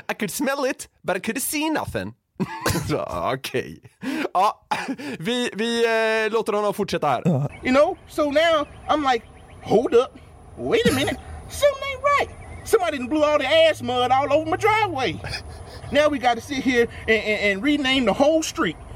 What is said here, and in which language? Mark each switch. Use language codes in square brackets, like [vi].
[en] I could smell it, but I couldn't see nothing. [sv] Okej. Ja, vi låter honom fortsätta här. [en] You know, so now I'm like, hold up, wait a minute, something ain't right. Somebody blew all the ass mud all over my driveway. Now we got to sit here and rename the whole street.